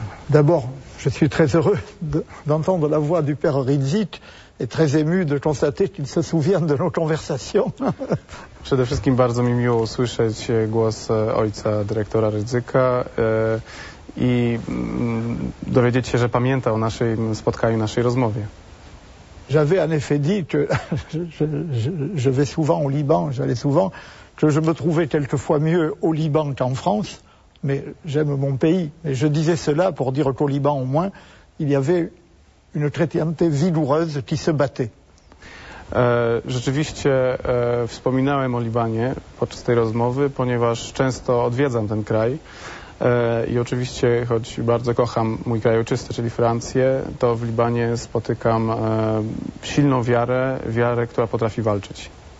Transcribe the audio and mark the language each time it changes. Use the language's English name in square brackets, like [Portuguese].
[French] D'abord, je suis très heureux d'entendre la voix du père Rizik et très ému de constater qu'il se souvient de nos conversations. [Polish] Przede wszystkim bardzo mi miło usłyszeć głos ojca dyrektora Rizika. I dowiedzieć się, że pamięta o naszym spotkaniu, naszej rozmowie. [French] J'avais en effet dit que je vais souvent au Liban, j'allais souvent, que je me trouvais quelquefois mieux au Liban qu'en France, mais j'aime mon pays. Et je disais cela pour dire qu'au Liban au moins, il y avait une chrétienté vigoureuse qui se battait. [Polish] Rzeczywiście wspominałem o Libanie podczas tej rozmowy, ponieważ często odwiedzam ten kraj. I oczywiście, choć bardzo kocham mój kraj ojczysty, czyli Francję, to w Libanie spotykam silną wiarę, wiarę, która potrafi walczyć.